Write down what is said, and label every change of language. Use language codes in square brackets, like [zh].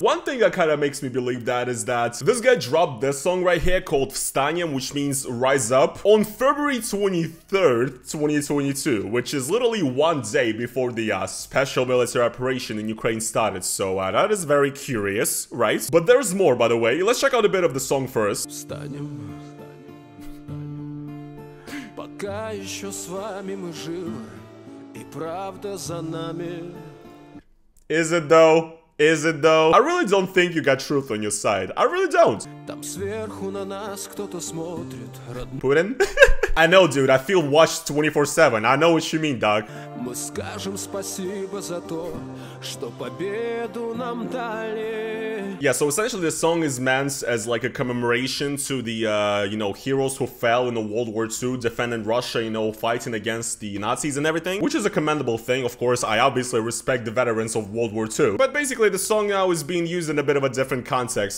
[en] One thing that kind of makes me believe that is that this guy dropped this song right here called Vstanem, which means rise up, on February 23rd, 2022, which is literally one day before the special military operation in Ukraine started. So that is very curious, right? But there's more, by the way. Let's check out a bit of the song first. Vstanem. [ru] Пока еще с вами мы живы, и правда за нами. [en] Is it though? Is it though? I really don't think you got truth on your side. I really don't. [ru] Там сверху на нас кто-то смотрит, род... [en] Putin? I know, dude, I feel watched 24/7. I know what you mean, dog. [ru] Мы скажем спасибо за то, что победу нам дали. [en] Yeah, so essentially the song is meant as like a commemoration to the, you know, heroes who fell in the World War II defending Russia, you know, fighting against the Nazis and everything, which is a commendable thing. Of course, I obviously respect the veterans of World War II. But basically, the song now is being used in a bit of a different context.